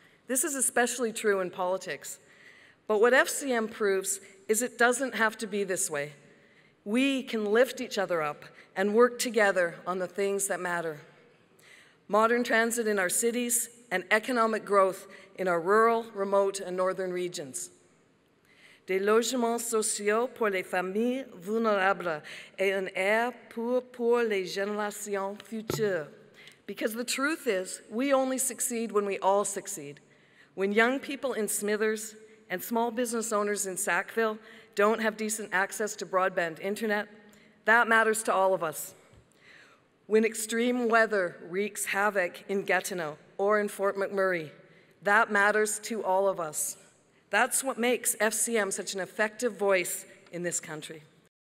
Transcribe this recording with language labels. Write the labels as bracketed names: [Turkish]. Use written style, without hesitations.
[English] This is especially true in politics. But what FCM proves is it doesn't have to be this way. We can lift each other up and work together on the things that matter. Modern transit in our cities and economic growth in our rural, remote, and northern regions. [French] Des logements sociaux pour les familles vulnérables et un air pur pour les générations futures. [English] Because the truth is, we only succeed when we all succeed. When young people in Smithers and small business owners in Sackville don't have decent access to broadband internet, that matters to all of us. When extreme weather wreaks havoc in Gatineau or in Fort McMurray, that matters to all of us. That's what makes FCM such an effective voice in this country.